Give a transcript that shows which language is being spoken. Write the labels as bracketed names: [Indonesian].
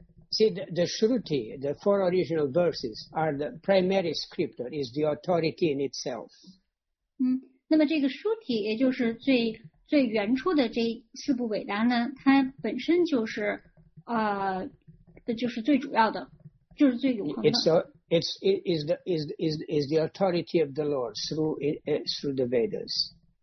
[English] See, the Shruti, the four original verses, are the primary scripture, is the authority in itself. [Chinese] 那么这个Shruti也就是最原初的这四部伟达呢，它本身就是最主要的，就是最永恒的。 [English] It's the authority of the Lord through the Vedas.